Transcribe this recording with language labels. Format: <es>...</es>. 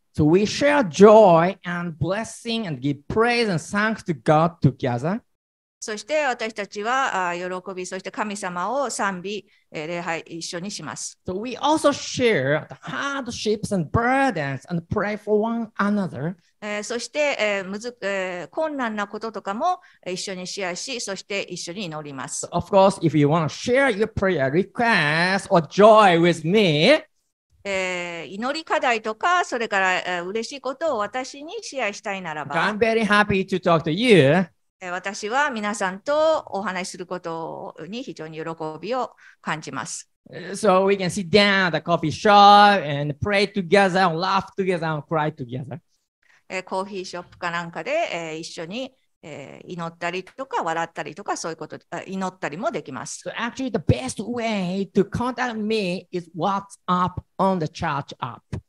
<en>So we share joy and blessing and give praise and thanks to God together.</en> <ja>そして私たちは喜び、そして神様を賛美、礼拝一緒にします。</ja> <en>So we also share the hardships and burdens and pray for one another.</en> <ja>そして困難なこととかも一緒にシェアし、そして一緒に祈ります。</ja> <en>So、of course, if you want to share your prayer requests or joy with me,</en> <ja>祈り課題とか、それから嬉しいことを私にシェアしたいならば、</ja> <en>I'm very happy to talk to you.</en> <ja>私は皆さんとお話しすることに非常に喜びを感じます。</ja> <en>So we can sit down at the coffee shop and pray together, laugh together, and cry together.</en> <ja>コーヒーショップかなんかで一緒に祈ったりとか笑ったりとかそういうこと、祈ったりもできます。</ja> <en>So actually the best way to contact me is WhatsApp on the church app.</en>